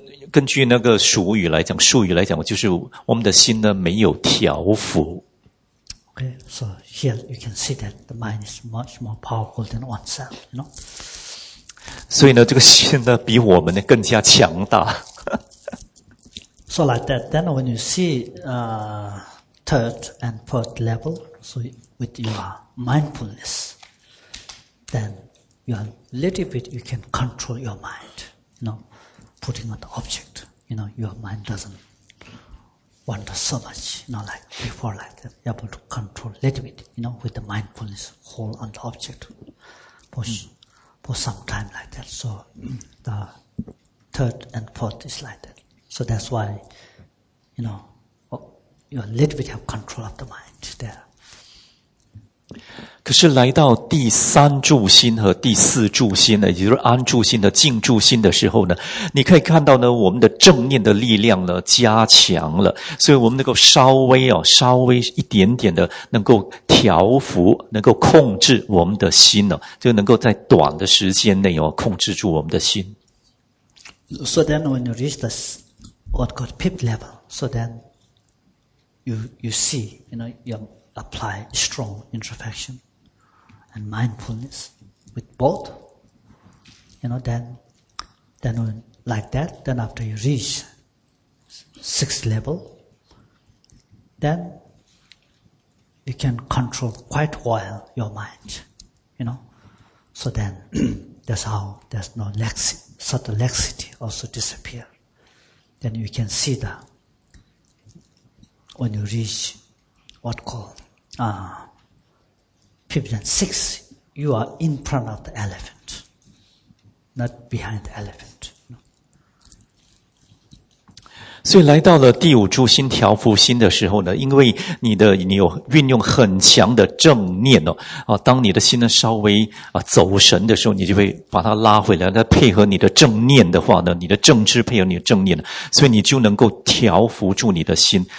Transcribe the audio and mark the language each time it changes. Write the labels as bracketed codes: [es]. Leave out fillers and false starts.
[zh] 根据那个俗语来讲，术语来讲，就是我们的心呢没有调伏。 [en] Okay, so here you can see that the mind is much more powerful than oneself, you know? [zh] 所以呢，这个心呢比我们呢更加强大。 [en] So like that, then when you see, third and fourth level, so with your mindfulness, then you are a little bit, you can control your mind, you know, putting on the object, you know, your mind doesn't wander so much, you know, like before, like that, you're able to control a little bit, you know, with the mindfulness, hold on the object for some time like that. So the third and fourth is like that. So that's why, you know,You are a little bit have control of the mind there. [zh] 可是来到第三住心和第四住心呢，也就是安住心和静住心的时候呢，你可以看到呢，我们的正念的力量呢加强了，所以我们能够稍微一点点的能够调伏，能够控制我们的心呢，就能够在短的时间内控制住我们的心。 [en] So then, when you reach this what called fifth level, so then. You see, you know, you apply strong introspection and mindfulness with both, you know, then like that, then after you reach sixth level, then you can control quite well your mind, you know, so then that's how there's no laxity, subtle laxity also disappear, then you can see that when you reach what called fifth and sixth, you are in front of the elephant, not behind the elephant. [zh] 所以来到了第五柱心调伏心的时候呢，因为你有运用很强的正念哦，当你的心呢稍微走神的时候，你就会把它拉回来。那配合你的正念的话呢，你的正知配合你的正念，所以你就能够调伏住你的心。